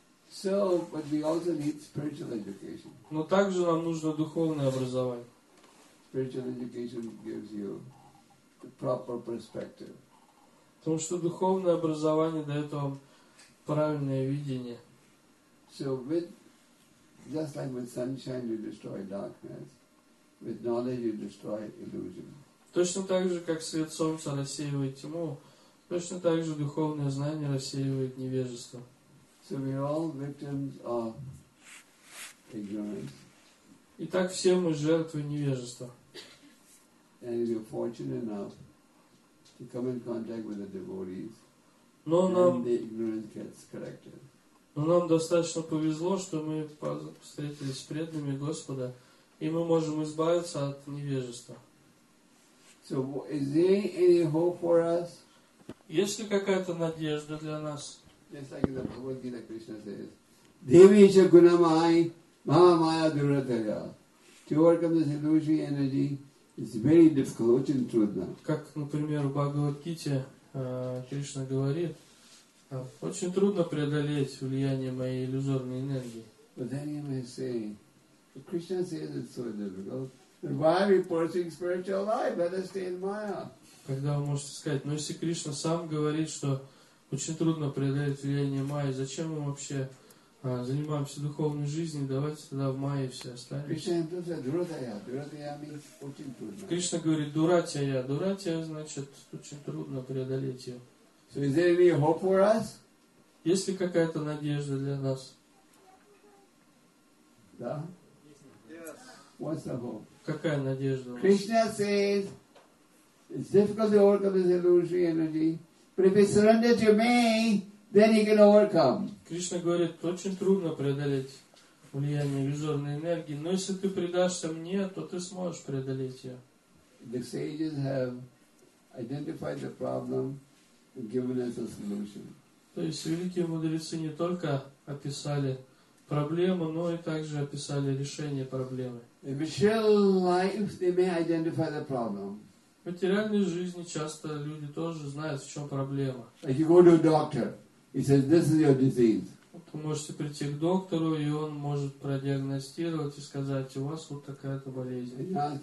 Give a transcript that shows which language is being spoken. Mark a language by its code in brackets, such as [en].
[en] So, but we also need spiritual education. [ru] Но также нам нужно духовное образование. [en] Spiritual education gives you the proper perspective. [ru] Потому что духовное образование дает вам правильное видение. [en] So with, just like with sunshine you destroy darkness, with knowledge you destroy illusion. [ru] Точно так же, как свет солнца рассеивает тьму, точно так же духовное знание рассеивает невежество. [en] So we are all victims of ignorance. [ru] Итак, все мы жертвы невежества. [en] And if you're fortunate enough to come in contact with the devotees, [ru] но [en] then [ru] нам, [en] the ignorance gets corrected. [ru] Но нам достаточно повезло, что мы встретились с преданными Господа, и мы можем избавиться от невежества. [en] So, is there any hope for us? [ru] Есть ли какая-то надежда для нас? [en] Just like the Bhagavad Gita Krishna says, Devisha Gunamai Mahamaya Duratarya. To overcome this illusory energy, it's very difficult, [ru] очень трудно. Как, например, в Бхагавад-гите Кришна говорит, очень трудно преодолеть влияние моей иллюзорной энергии. [en] But then you may say, but Krishna says it's so difficult. Then why are we pursuing spiritual life? Let us stay in Maya. [ru] Когда вы можете сказать, но если Кришна сам говорит, что очень трудно преодолеть влияние Майи, зачем мы вообще занимаемся духовной жизнью, давайте тогда в Майи все останемся. Кришна говорит, дуратия, дуратия значит очень трудно преодолеть ее. [en] So is there any hope for us? [ru] Есть ли какая-то надежда для нас? Да? [en] What's the hope? [ru] Какая надежда? [en] Krishna says, it's difficult to overcome this illusory energy, but if you surrender to me, then you can overcome. [ru] Кришна говорит, очень трудно преодолеть влияние иллюзорной энергии, но если ты предашься мне, то ты сможешь преодолеть ее. [en] The sages have identified the problem and given us a solution. [ru] То есть великие мудрецы не только описали проблему, но и также описали решение проблемы. [en] In material life, they may identify the problem. [ru] В материальной жизни часто люди тоже знают, в чем проблема. [en] Like you go to a doctor, he says, this is your disease. [ru] вы можете прийти к доктору, и он может продиагностировать и сказать, у вас вот такая-то болезнь.